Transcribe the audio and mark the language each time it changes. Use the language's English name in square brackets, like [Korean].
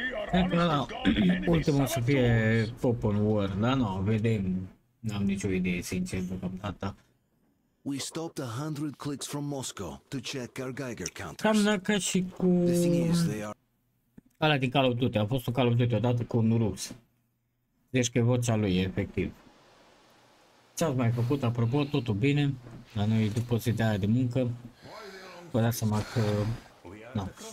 [Romanian] Cred că ultimul să fie open world, dar nu, vedem. N-am nicio idee, sincer, deocamdată. [English] We stopped 100 clicks from Moscow to check our Geiger counters. [Romanian] Cam dacă și cu... Alea din Call of Duty, a fost un Call of Duty odată cu un rus. Deci că e vocea lui, efectiv. Ce-ați mai făcut? Apropo, totul bine. La noi, după zi de aia de muncă, vă dați seama că... Na.